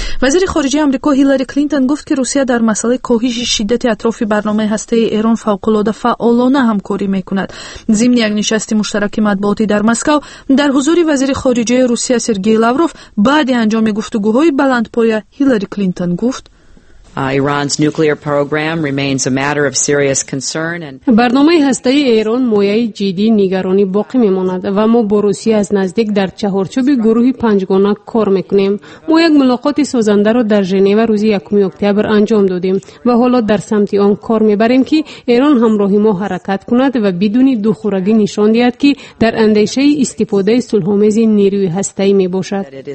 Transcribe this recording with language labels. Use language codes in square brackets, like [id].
[fa] وزیر خارجه آمریکا هیلاری کلینتون گفت که روسیه در مسئله کاهش شدت اطراف برنامه هسته‌ای ایران فوق‌العاده فعالانه همکاری میکند. ضمن یک نشست مشترک مطبوعاتی در مسکو در حضور وزیر خارجه روسیه سرگئی لاوروف بعد انجام گفتگوهای بلندپایه هیلاری کلینتون گفت [en] Iran's nuclear program remains a matter of serious concern and [fa] برنامه هسته‌ای ایران مایه جدی نگرانی باقی می‌ماند و ما با روسیه از نزدیک در چهارچوب گروه پنجگانه کار می‌کنیم. ما یک ملاقات سازنده را در ژنو روز 1 اکتبر انجام دادیم و حالا در سمت آن کار می‌بریم که ایران همراه ما حرکت کند و بدون دوخورگی نشان دهد که در اندیشه استفاده صلح‌آمیز نیروی هسته‌ای می‌باشد.